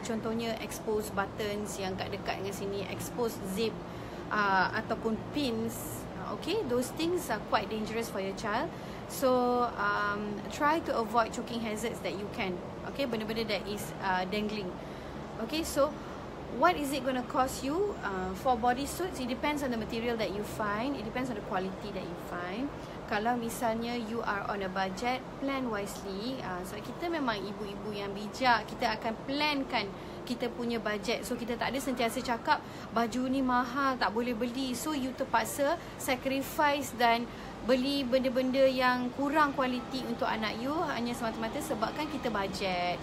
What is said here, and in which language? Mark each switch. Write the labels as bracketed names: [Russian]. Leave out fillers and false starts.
[Malay] Contohnya, exposed buttons yang kat dekat dengan sini. [English] Exposed zip ataupun pins. Okay, those things are quite dangerous for your child. So, try to avoid choking hazards that you can. Okay, [Malay] benda-benda [English] that is dangling. Okay, so what is it going to cost you for body suits? It depends on the material that you find. It depends on the quality that you find. [Malay] Kalau misalnya [English] you are on a budget, plan wisely. [Malay] So kita memang ibu-ibu yang bijak. Kita akan plankan kita punya budget. So kita tak ada sentiasa cakap baju ni mahal, tak boleh beli. So you terpaksa sacrifice dan beli benda-benda yang kurang kualiti untuk anak you hanya semata-mata sebabkan kita budget.